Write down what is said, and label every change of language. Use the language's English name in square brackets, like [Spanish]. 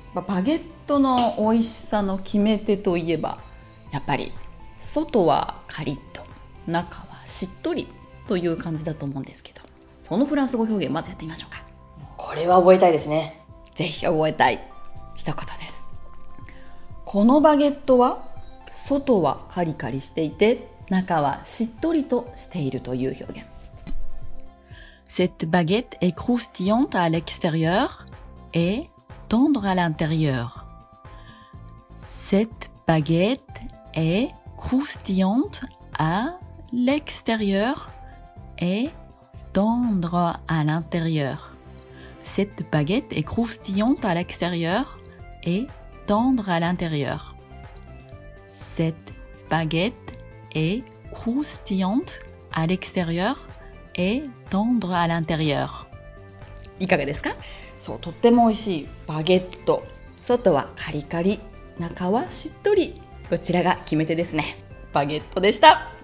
[Japanese] まあ、バゲットの美味しさの決め手といえばやっぱり外はカリッと中はしっとりという感じだと思うんですけど、そのフランス語表現まずやってみましょうか。これは覚えたいですね。ぜひ覚えたい一言です。このバゲットは外はカリカリしていて中はしっとりとしているという表現。 [French] Cette baguette est croustillante à l'extérieur et tendre à l'intérieur. Cette baguette est croustillante à l'extérieur et tendre à l'intérieur. Cette baguette est croustillante à l'extérieur et tendre à l'intérieur. Cette baguette est croustillante à l'extérieur et tendre à l'intérieur. [Japanese] いかがですか？そう、とっても美味しいバゲット、外はカリカリ中はしっとり、こちらが決め手ですね。バゲットでした。